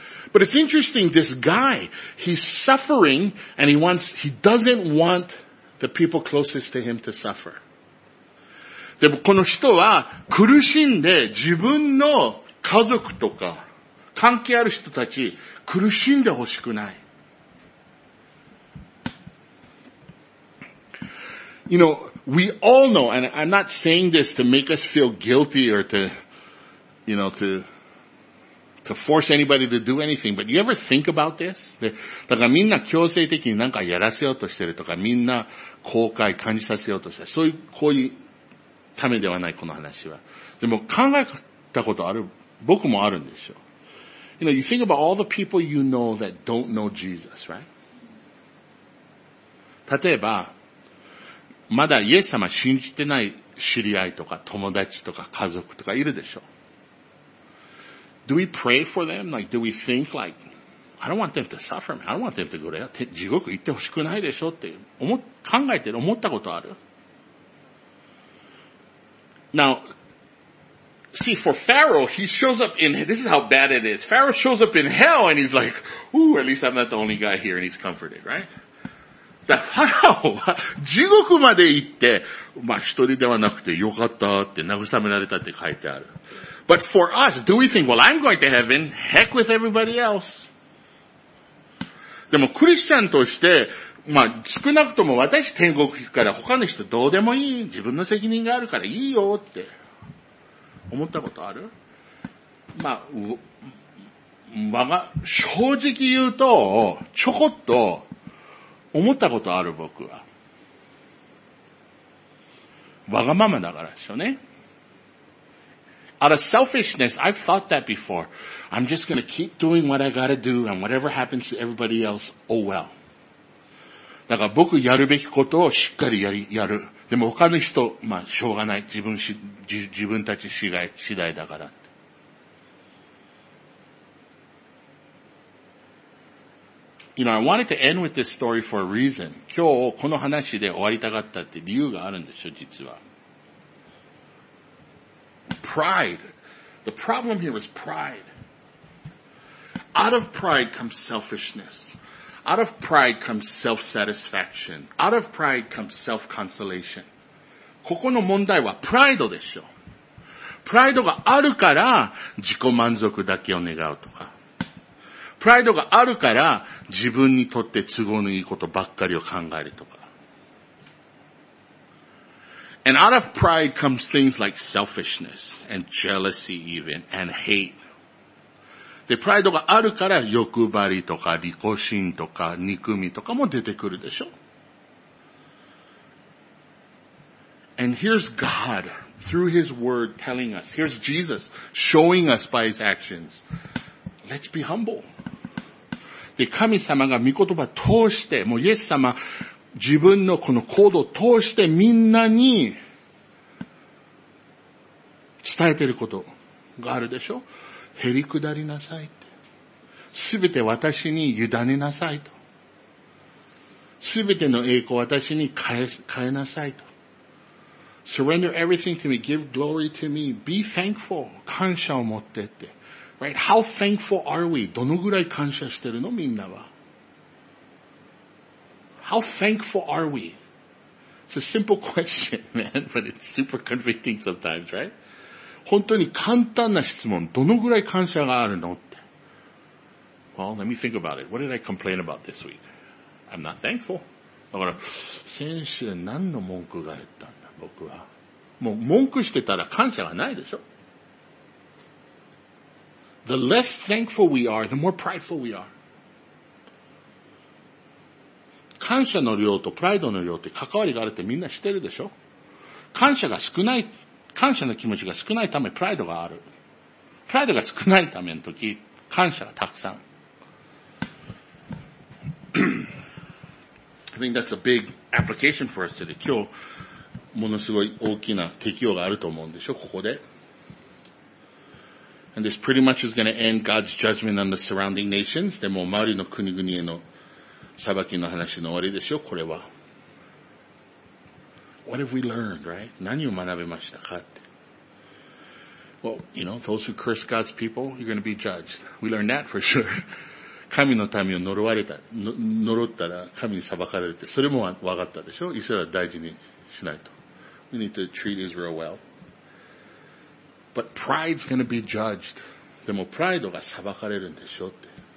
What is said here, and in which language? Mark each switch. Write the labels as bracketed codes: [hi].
[en] But it's interesting, this guy, he's suffering and he doesn't want the people closest to him to suffer. [ja] でもこの人は苦しんで自分の家族とか関係ある人たち苦しんでほしくない。 [en] You know, we all know, and I'm not saying this to make us feel guilty or to force anybody to do anything, but you ever think about this? [ja] で、だからみんな強制的になんかやらせようとしてるとか、みんな後悔感じさせようとしてる。そういう、こういうためではない、この話は。でも考えたことある、僕もあるんですよ。 [en] You know, you think about all the people you know that don't know Jesus, right? [ja] 例えば、まだイエス様信じてない知り合いとか友達とか家族とかいるでしょ。 [en] Do we pray for them? Like, do we think like, I don't want them to suffer, man. I don't want them to go to hell. [ja] 地獄行ってほしくないでしょって考えて思ったことある? [en] Now, see, for Pharaoh, he shows up in, this is how bad it is. Pharaoh shows up in hell and he's like, ooh, at least I'm not the only guy here, and he's comforted, right? [ja] だから、地獄まで行って、まあ一人ではなくてよかったって慰められたって書いてある。 [en] But for us, do we think, well, I'm going to heaven, heck with everybody else. [ja] でもクリスチャンとして、まあ少なくとも私天国行くから他の人どうでもいい、自分の責任があるからいいよって思ったことある? まあ、正直言うと、ちょこっと、思ったことある僕は。わがままだからでしょうね。 [en] Out of selfishness, I've thought that before. I'm just gonna keep doing what I gotta do and whatever happens to everybody else, oh well. [ja] だから僕やるべきことをしっかりやる。でも他の人、まあしょうがない。自分たち次第だから。 [en] You know, I wanted to end with this story for a reason. [ja] 今日この話で終わりたかったって理由があるんでしょ、実は。 [en] Pride. The problem here is pride. Out of pride comes selfishness. Out of pride comes self-satisfaction. Out of pride comes self-consolation. [ja] ここの問題はプライドでしょ。プライドがあるから自己満足だけを願うとか。プライドがあるから自分にとって都合のいいことばっかりを考えるとか。 [en] And out of pride comes things like selfishness and jealousy even and hate. [ja] で、プライドがあるから欲張りとか利己心とか憎みとかも出てくるでしょ。 [en] And here's God through his word telling us, here's Jesus showing us by his actions. Let's be humble. [ja] で、神様が御言葉を通して、もうイエス様、自分のこの行動を通してみんなに伝えていることがあるでしょ? へりくだりなさいって。すべて私に委ねなさいと。すべての栄光を私に変えなさいと。 [en] Surrender everything to me, give glory to me, be thankful, [ja] 感謝を持ってって。 [en] Right? How thankful are we? [ja] どのぐらい感謝してるの? みんなは。 [en] How thankful are we? It's a simple question, man, but it's super convicting sometimes, right? [ja] 本当に簡単な質問。どのぐらい感謝があるのって。 [en] Well, let me think about it. What did I complain about this week? I'm not thankful. [ja] だから、先週何の文句が言ったんだ、僕は。もう文句してたら感謝がないでしょ。 [en] The less thankful we are, the more prideful we are. [ja] 感謝の量とプライドの量って関わりがあるってみんな知ってるでしょ? 感謝が少ない、感謝の気持ちが少ないためプライドがある。プライドが少ないための時、感謝がたくさん。 [en] I think that's a big application for us today. [ja] 今日、ものすごい大きな適用があると思うんでしょ、ここで。 [en] And this pretty much is going to end God's judgment on the surrounding nations. [ja] でも周りの国々への裁きの話の終わりでしょ、これは。 [en] What have we learned, right? [ja] 何を学びましたかって。 [en] Well, you know, those who curse God's people, you're going to be judged. We learned that for sure. [ja] 神の民を呪われた、呪ったら神に裁かれて、それも分かったでしょ、イスラエル大事にしないと。 [en] We need to treat Israel well. But pride's gonna be judged. [ja] でもプライドが裁かれるんでしょって。